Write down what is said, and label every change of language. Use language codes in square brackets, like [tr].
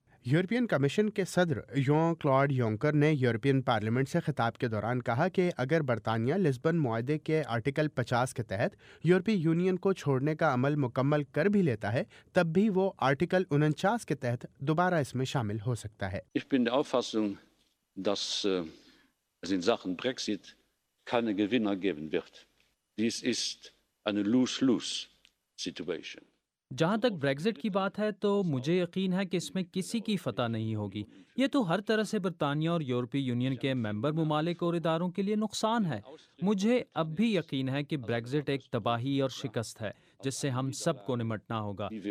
[ur] European commission کے صدر یوں کلاڈ یونکر نے یورپین پارلیمنٹ سے خطاب کے دوران کہا کہ اگر برطانیہ لسبن معاہدے کے آرٹیکل 50 کے تحت یورپی یونین کو چھوڑنے کا عمل مکمل کر بھی لیتا ہے، تب بھی وہ آرٹیکل 49 کے تحت دوبارہ اس میں شامل ہو سکتا ہے۔ [de] Ich bin der Auffassung, dass es in Sachen Brexit keine Gewinner geben wird. Dies ist eine lose-lose Situation. [ur] جہاں تک بریگزٹ کی بات ہے تو مجھے یقین ہے کہ اس میں کسی کی فتح نہیں ہوگی۔ یہ تو ہر طرح سے برطانیہ اور یورپی یونین کے ممبر ممالک اور اداروں کے لیے نقصان ہے۔ مجھے اب بھی یقین ہے کہ بریگزٹ ایک تباہی اور شکست ہے جس سے ہم سب کو نمٹنا ہوگا،